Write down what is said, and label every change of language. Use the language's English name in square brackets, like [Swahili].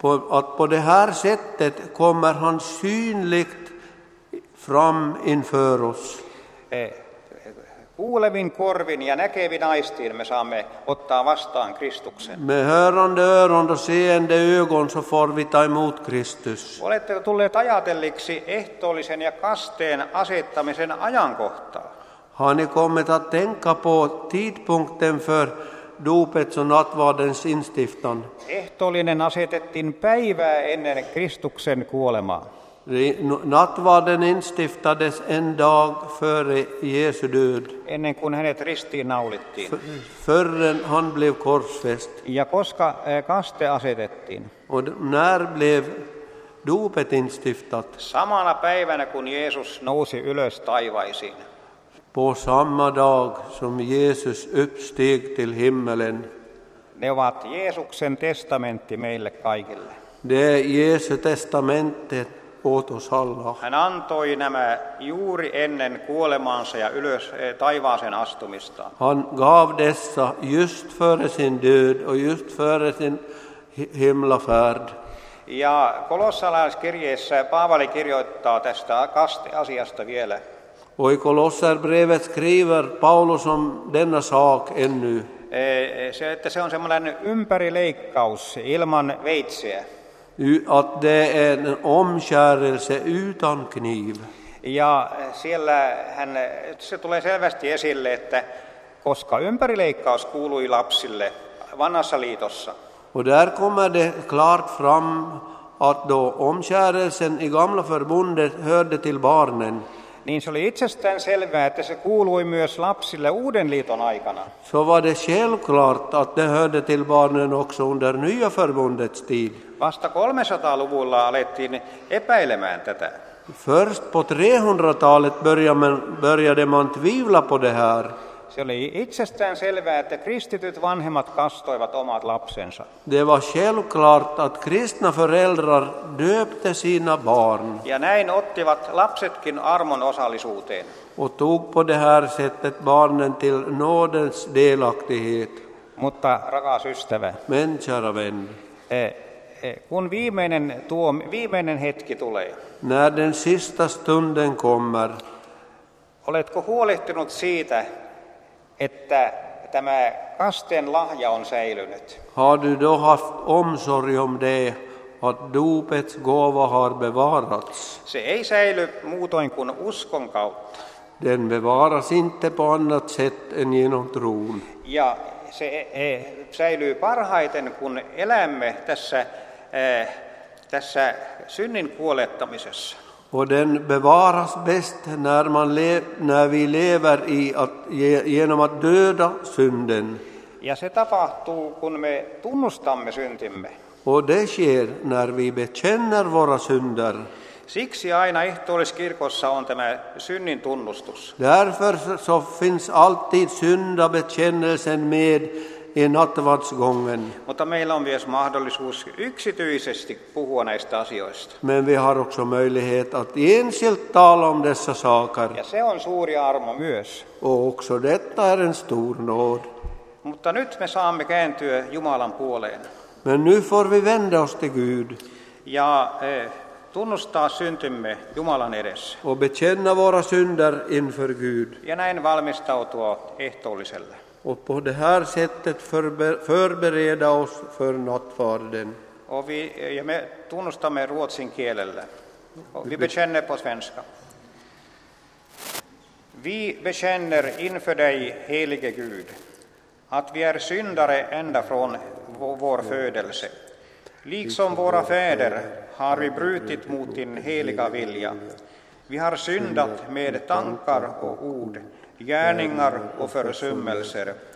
[Swedish] Att på det här sättet kommer han synligt fram inför oss. [Finnish] Kuulevin korvin ja näkevin aistiin me saamme ottaa vastaan Kristuksen. [Swedish] Med hörande öron och seende ögon så får vi ta emot Kristus. [Finnish] Oletteko tulleet ajatelliksi ehtoollisen ja kasteen asettamisen ajankohtaa? [Swedish] Har ni kommit att tänka på tidpunkten för dopets och nattvardens instiftan? [Finnish] Ehtoollinen asetettiin päivää ennen Kristuksen kuolemaa. [Swedish] Nattvarden instiftades en dag före Jesu död. [Finnish] Ennen kuin hänet ristiin naulittiin. [Swedish] Förrän han blev korsfäst. [Finnish] Ja koska kaste asetettiin. [Swedish] Och när blev dopet instiftat? [Finnish] Samana päivänä kun Jeesus nousi ylös taivaisiin. [Swedish] På samma dag som Jesus uppsteg till himmelen. [Finnish] Ne ovat Jeesuksen testamentti meille kaikille. [Swedish] Det är Jesu testamentet. [Finnish] Hän antoi nämä juuri ennen kuolemaansa ja ylös taivaaseen astumista. [Swedish] Han gav dessa just före sin död och just före sin himlafärd. [Finnish] Ja kolossalaiskirjeessä Paavali kirjoittaa tästä kaste-asiasta vielä. [Swedish] Och i kolossalbrevet skriver Paulus om denna sak ännu. [Finnish] Se, että se on semmoinen ympärileikkaus ilman veitsiä. [Swedish] Att det är en omskärelse utan kniv. [Finnish] Ja siellä hän, se tulee selvästi esille, että koska ympärileikkaus kuului lapsille vanhassa liitossa. [Swedish] Och där kommer det klart fram att då omskärelsen i gamla förbundet hörde till barnen. [Finnish] Niin se oli itsestään selvää, että se kuului myös lapsille uuden liiton aikana. [Swedish] Så var det självklart att det hörde till barnen också under nya förbundets tid. [Finnish] Vasta 300-luvulla alettiin epäilemään tätä. [Swedish] Först på 300-talet började man tvivla på det här. [Finnish] Se oli itsestään selvää, että kristityt vanhemmat kastoivat omat lapsensa. [Swedish] Det var självklart att kristna föräldrar döpte sina barn. [Finnish] Ja näin ottivat lapsetkin armon osallisuuteen. [Swedish] Och tog på det här sättet barnen till nådens delaktighet. [Finnish] Mutta rakas ystävä. [Swedish] Men kära vän. [Finnish] Kun viimeinen viimeinen hetki tulee. [Swedish] När den sista stunden kommer. [Finnish] Oletko huolehtinut siitä, että tämä kasteen lahja on säilynyt? [Swedish] Har du då haft omsorg om det, att dopets gåva har bevarats? [Finnish] Se ei säily muutoin kuin uskon kautta. [Swedish] Den bevaras inte på annat sätt än genom tron. [Finnish] Ja se säilyy parhaiten, kun elämme tässä tässä synnin kuolettamisessa. [Swedish] Och den bevaras bäst när man när vi lever i att genom att döda synden. [Finnish] Ja se tapahtuu, kun me tunnustamme syntimme. [Swedish] Och det sker när vi bekänner våra synder. [Finnish] Siksi aina ehtooliskirkossa on tämä synnin tunnustus. [Swedish] Därför så finns alltid syndabekännelsen med i nattvardsgången. [Finnish] Mutta meillä on myös mahdollisuus yksityisesti puhua näistä asioista. [Swedish] Men vi har också möjlighet att ensilt tala om dessa saker. [Finnish] Ja se on suuri armo myös. [Swedish] Och också detta är en stor nåd. [Finnish] Mutta nyt me saamme kääntyä Jumalan puoleen. [Swedish] Men nu får vi vända oss till Gud. [Finnish] Ja tunnustaa syntymme Jumalan edessä. [Swedish] Och bekänna våra synder inför Gud. [Finnish] Ja näin valmistautua ehtoolliselle. [Swedish] Och på det här sättet förbereda oss för nattvarden. Och vi [Finnish] ja me tunnustamme ruotsin kielellä. [Swedish] Vi bekänner på svenska. Vi bekänner inför dig, helige Gud, att vi är syndare ända från vår födelse. Liksom våra fäder har vi brutit mot din heliga vilja. Vi har syndat med tankar och ord, gärningar och försummelser.